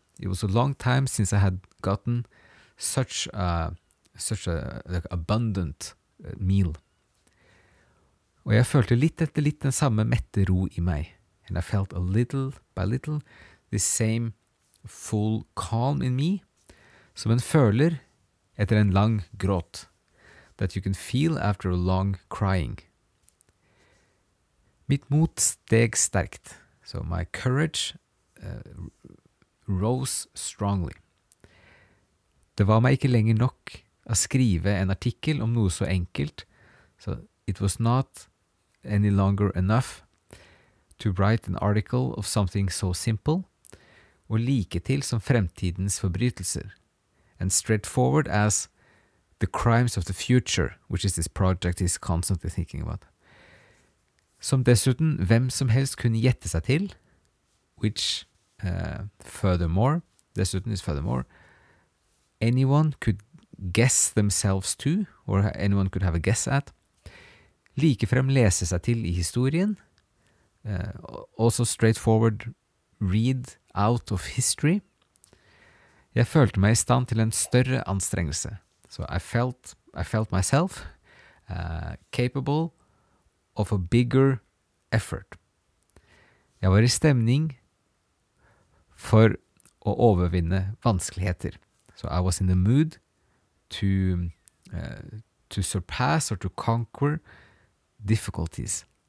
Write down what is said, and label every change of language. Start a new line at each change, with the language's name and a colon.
English: It was a long time since I had gotten such a like abundant meal.
Norwegian: Og jeg følte litt etter litt den samme mette ro i meg.
English: And I felt a little by little the same full calm in me,
Norwegian: som en føler etter en lang gråt,
English: that you can feel after a long crying.
Norwegian: Mitt mot steg sterkt,
English: so my courage rose strongly.
Norwegian: Det var meg ikke lenger nok å skrive en artikkel om noe så enkelt,
English: so it was not any longer enough to write an article of something so simple,
Norwegian: og like til som fremtidens forbrytelser.
English: And straightforward as the crimes of the future, which is this project he's constantly thinking about.
Norwegian: Som dessuten hvem som helst kunne gjette seg til,
English: which furthermore, dessuten is furthermore, anyone could guess themselves to, or anyone could have a guess at,
Norwegian: likefrem lese seg til I historien,
English: also straightforward read out of history.
Norwegian: Jeg følte meg I stand til en større anstrengelse.
English: So I felt myself capable of a bigger effort.
Norwegian: Jeg var I stemning for å overvinne vanskeligheter.
English: So I was in the mood to surpass or to conquer difficulties.